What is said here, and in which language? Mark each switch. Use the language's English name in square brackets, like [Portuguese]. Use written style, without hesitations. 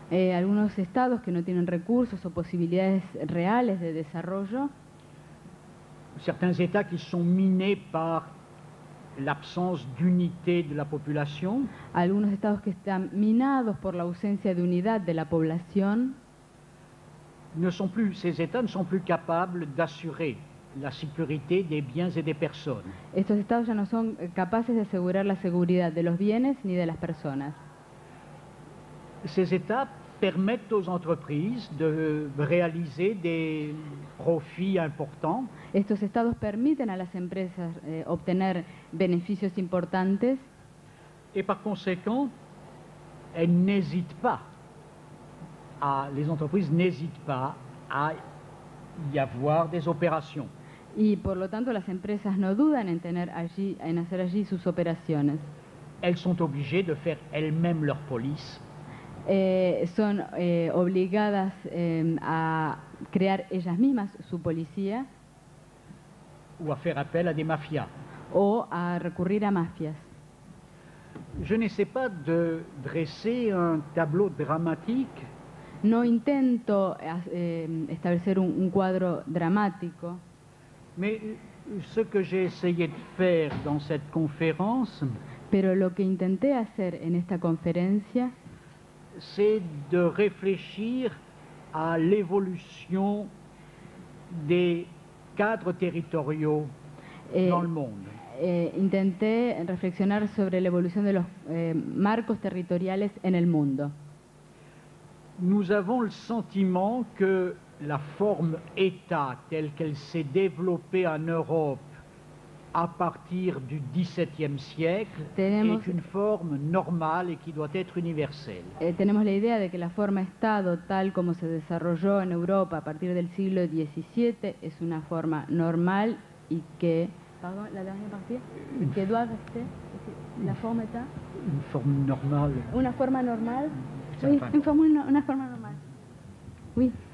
[Spanish] Algunos estados que no tienen recursos o posibilidades reales de desarrollo. [French] Certains États qui sont minés par l'absence d'unité de la population. [Spanish] Algunos estados que están minados por la ausencia de unidad de la población. [French] Ces États ne sont plus capables d'assurer la sécurité des biens et des personnes. [Spanish] Estos estados ya no son capaces de asegurar la seguridad de los bienes ni de las personas. [French] Ces états permettent aux entreprises de réaliser des profits importants. [Spanish] Estos estados permiten a las empresas obtener beneficios importantes. [French] Et par conséquent, elles n'hésitent pas. Les entreprises n'hésitent pas à y avoir des opérations. [Spanish] Y por lo tanto las empresas no dudan en hacer allí sus operaciones. [French] Elles sont obligées de faire elles-mêmes leur police. [Spanish] Son obligadas a crear ellas mismas su policía. [French] Ou à faire appel à des mafias. [Spanish] O a recurrir a mafias. [French] Je n'essaie pas de dresser un tableau dramatique. [Spanish] No intento establecer un cuadro dramático. [French] Mais ce que j'ai essayé de faire dans cette conférence, [Spanish] pero lo que intenté hacer en esta conferencia, [French] c'est de réfléchir à l'évolution des cadres territoriaux dans le monde. [Spanish] Intenté reflexionar sobre la evolución de los marcos territoriales en el mundo. [French] Nous avons le sentiment que la forme État telle qu'elle s'est développée en Europe à partir du XVIIe siècle est une forme normale et qui doit être universelle. [Spanish] Tenemos la idea de que la forma Estado tal como se desarrolló en Europa a partir del siglo XVII es una forma normal y que [French] pardon, la dernière partie, que doit rester la forme État. Une forme normale. [Spanish] Una forma normal. Una forma normal. Oui.